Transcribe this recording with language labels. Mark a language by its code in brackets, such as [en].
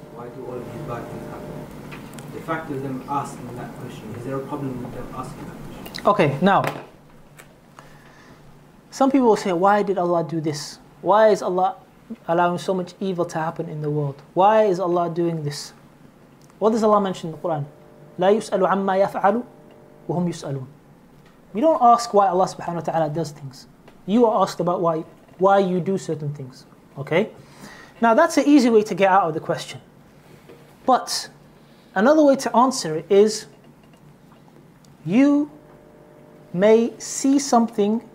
[en] Why do all of these bad things happen? The fact of them asking that question, is there a problem with them asking that question? Okay, now, some people will say, why did Allah do this? Why is Allah allowing so much evil to happen in the world? Why is Allah doing this? What does Allah mention in the Quran? [ar] لا يسأل عما يفعل وهم يسألون. [en] We don't ask why Allah subhanahu wa ta'ala does things. You are asked about why you do certain things. Okay? Now that's an easy way to get out of the question. But another way to answer it is, you may see something.